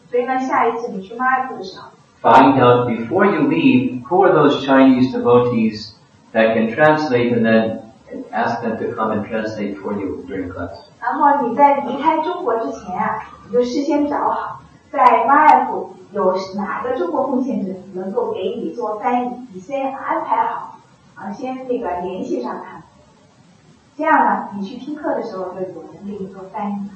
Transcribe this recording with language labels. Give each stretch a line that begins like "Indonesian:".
Chinese: 所以呢，下一次你去马尔代夫的时候
English: ，find out before you leave who are those Chinese devotees that can translate, and then ask them to come and translate for you during class.
Chinese: 然后你在离开中国之前啊，你就事先找好在马尔代夫有哪个中国奉献者能够给你做翻译，你先安排好啊，先那个联系上他，这样呢，你去听课的时候就有人给你做翻译。